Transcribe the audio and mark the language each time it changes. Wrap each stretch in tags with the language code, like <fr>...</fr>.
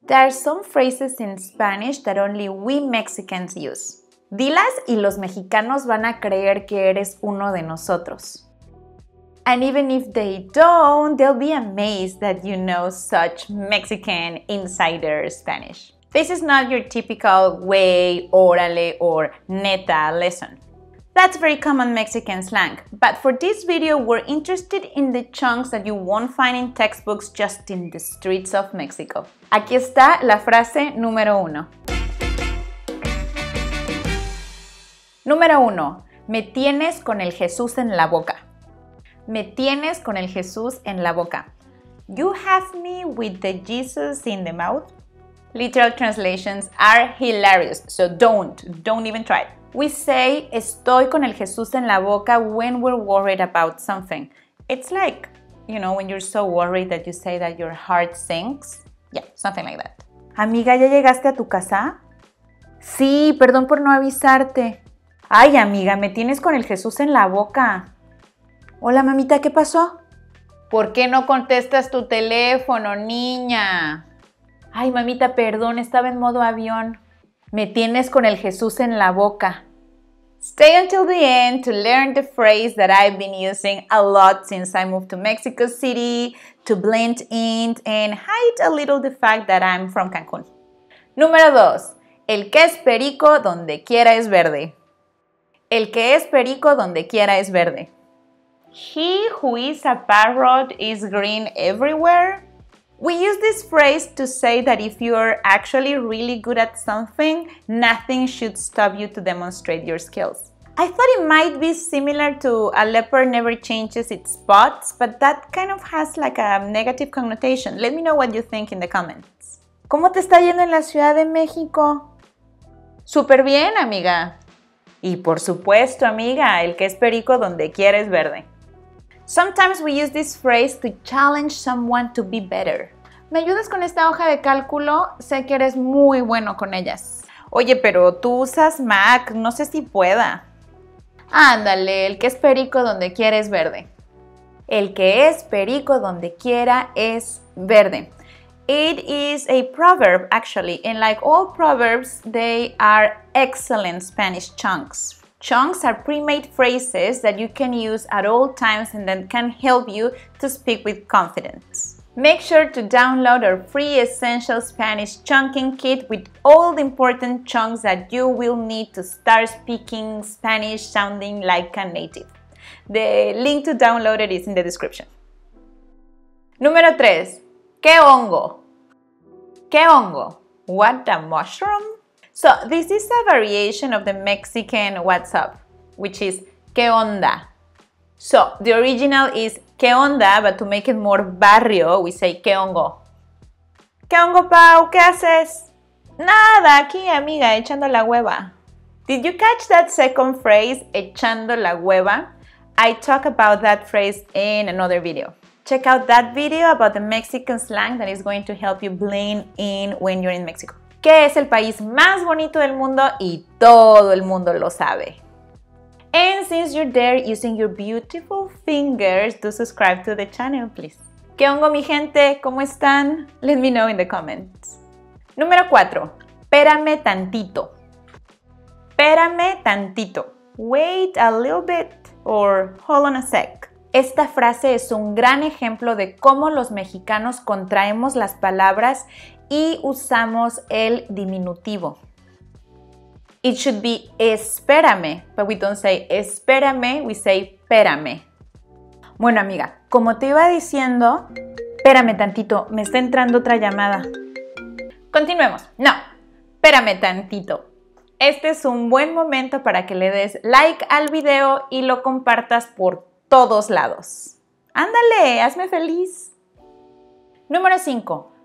<en>There are some phrases in Spanish that only we Mexicans use.</en> <es>Dilas y los mexicanos van a creer que eres uno de nosotros.</es> <en>And even if they don't, they'll be amazed that you know such Mexican insider Spanish. This is not your typical güey, órale, or neta lesson. That's very common Mexican slang, but for this video, we're interested in the chunks that you won't find in textbooks just in the streets of Mexico.</en> <es>Aquí está la frase número uno. Número uno, me tienes con el Jesús en la boca. Me tienes con el Jesús en la boca.</es> <en>You have me with the Jesus in the mouth. Literal translations are hilarious, so don't even try. We say,</en> <es>estoy con el Jesús en la boca</es> <en>when we're worried about something. It's like, you know, when you're so worried that you say that your heart sinks. Yeah, something like that.</en> <es>Amiga, ¿ya llegaste a tu casa? Sí, perdón por no avisarte. Ay, amiga, me tienes con el Jesús en la boca. Hola, mamita, ¿qué pasó? ¿Por qué no contestas tu teléfono, niña? Ay, mamita, perdón, estaba en modo avión. Me tienes con el Jesús en la boca.</es> <en>Stay until the end to learn the phrase that I've been using a lot since I moved to Mexico City to blend in and hide a little the fact that I'm from Cancun.</en> <es>Número dos. El que es perico donde quiera es verde. El que es perico donde quiera es verde.</es> <en>He who is a parrot is green everywhere. We use this phrase to say that if you're actually really good at something, nothing should stop you to demonstrate your skills. I thought it might be similar to a leopard never changes its spots, but that kind of has like a negative connotation. Let me know what you think in the comments.</en> <es>¿Cómo te está yendo en la Ciudad de México? Súper bien, amiga. Y por supuesto, amiga, el que es perico donde quiera es verde.</es> <en>Sometimes we use this phrase to challenge someone to be better.</en> <es>¿Me ayudas con esta hoja de cálculo? Sé que eres muy bueno con ellas. Oye, pero tú usas Mac, no sé si pueda. Ándale, el que es perico donde quiera es verde. El que es perico donde quiera es verde.</es> <en>It is a proverb, actually, and like all proverbs, they are excellent Spanish chunks. Chunks are pre-made phrases that you can use at all times and that can help you to speak with confidence. Make sure to download our free essential Spanish chunking kit with all the important chunks that you will need to start speaking Spanish sounding like a native. The link to download it is in the description.</en> <es>Número 3. ¿Qué hongo? ¿Qué hongo?</es> <en>What a mushroom? So, this is a variation of the Mexican what's up, which is</en> <es>¿qué onda?</es> <en>So, the original is</en> <es>¿qué onda?</es> <en>But to make it more barrio, we say</en> <es>¿qué hongo? ¿Qué hongo, Pau? ¿Qué haces? Nada, aquí, amiga, echando la hueva.</es> <en>Did you catch that second phrase,</en> <es>echando la hueva?</es> <en>I talk about that phrase in another video. Check out that video about the Mexican slang that is going to help you blend in when you're in Mexico.</en> <es>Que es el país más bonito del mundo y todo el mundo lo sabe.</es> <en>And since you're there using your beautiful fingers, do subscribe to the channel, please.</en> <es>¿Qué hongo, mi gente? ¿Cómo están?</es> <en>Let me know in the comments.</en> <es>Número 4. Pérame tantito. Pérame tantito.</es> <en>Wait a little bit or hold on a sec.</en> <es>Esta frase es un gran ejemplo de cómo los mexicanos contraemos las palabras y usamos el diminutivo.</es> <en>It should be espérame, but we don't say espérame, we say pérame.</en> <es>Bueno, amiga, como te iba diciendo, espérame tantito, me está entrando otra llamada. Continuemos. No, espérame tantito. Este es un buen momento para que le des like al video y lo compartas por todos lados. ¡Ándale! ¡Hazme feliz! Número 5.</es>